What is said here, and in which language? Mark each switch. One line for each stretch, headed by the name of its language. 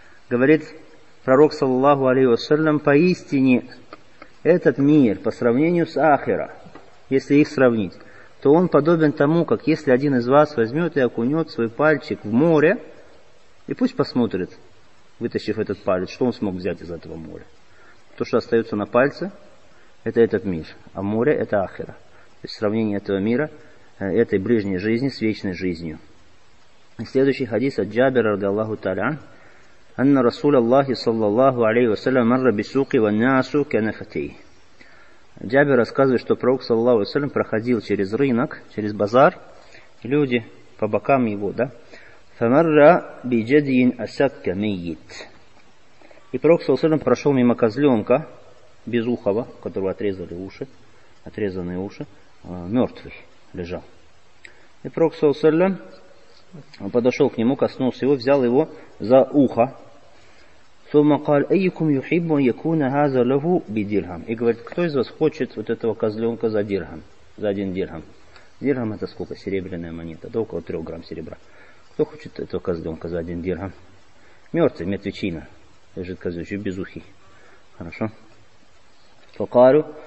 Russian: Говорит пророк, саллаллаху алейхи ва саллям: поистине, этот мир, по сравнению с ахира, если их сравнить, то он подобен тому, как если один из вас возьмет и окунет свой пальчик в море, и пусть посмотрит, вытащив этот палец, что он смог взять из этого моря. То, что остается на пальце, это этот мир, а море – это ахира. То есть сравнение этого мира, этой ближней жизни с вечной жизнью. И следующий хадис от Джабира, ради Аллаху Таля,
Arabic: أن رسول الله صلى الله عليه وسلم مر بسوق والناس كنفتي.
Russian: Джабир рассказывает, что пророк саллаллаху алейхи ва саллям проходил через рынок, через базар, люди по бокам его, да.
Arabic: فمر بجدي أسك ميت.
Russian: И пророк саллаллаху алейхи ва саллям прошел мимо козленка безухого, которого отрезали уши, отрезанные уши, мертвый лежал. И пророк саллаллаху алейхи ва саллям подошел к нему, коснулся его, взял его за ухо.
Arabic: ثم قال أيكم يحب أن يكون هذا له بدرهم.
Russian: И говорит: кто из вас хочет вот этого козленка за дирхам, за один дирхам? Дирхам — это сколько? Серебряная монета, да, около 3 грамм серебра. Кто хочет этого козленка за один дирхам? Мертвый, мертвечина, лежит козленок, безухий. Хорошо.
Arabic: فقالوا